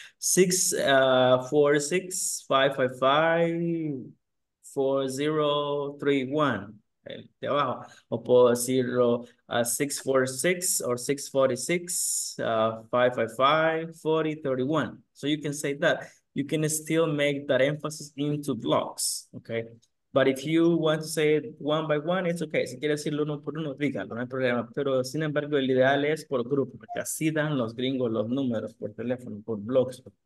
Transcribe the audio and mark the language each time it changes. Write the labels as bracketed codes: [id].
[es] 6, 4, 6, 5, 5, 5. 4031, el de abajo, o puedo decirlo a 646 or 646, 555, 4031. [en] So you can say that. You can still make that emphasis into blocks, okay? But if you want to say it one by one, it's okay. [es] Si quieres decirlo uno por uno, dígalo, no hay problema. Pero sin embargo, el ideal es por grupo, porque así dan los gringos los números por teléfono, por blocks.